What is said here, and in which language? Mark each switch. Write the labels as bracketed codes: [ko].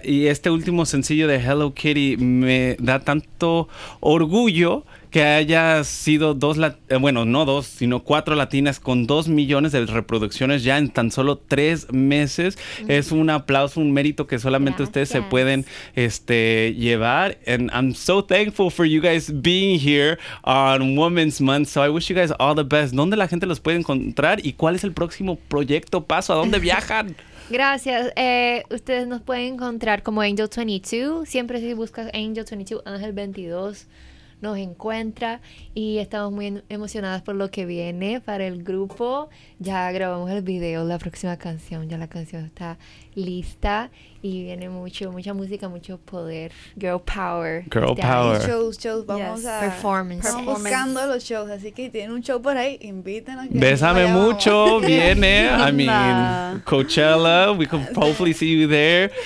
[es] Y este último sencillo de Hello Kitty me da tanto orgullo que haya sido cuatro latinas con 2 millones de reproducciones ya en tan solo 3 meses. Mm-hmm. Es un aplauso, un mérito que solamente gracias. Ustedes se pueden llevar. [en] And I'm so thankful for you guys being here on Women's Month. So I wish you guys all the best. [es] ¿Dónde la gente los puede encontrar? ¿Y cuál es el próximo proyecto, paso? ¿A dónde viajan? Gracias. Ustedes nos pueden encontrar como Angel 22. Siempre si buscas Angel 22, Ángel 22, nos encuentra y estamos muy emocionadas por lo que viene para el grupo. Ya grabamos el video, la próxima canción, ya la canción está lista y viene mucho, mucha música, mucho poder. [en] Girl power. Girl power. [es] Shows, vamos a... [en] Performance. [es] Estamos buscando los shows, así que si tienen un show por ahí, invítenos. Bésame mucho, viene, [en] I mean, Coachella, we can hopefully see you there.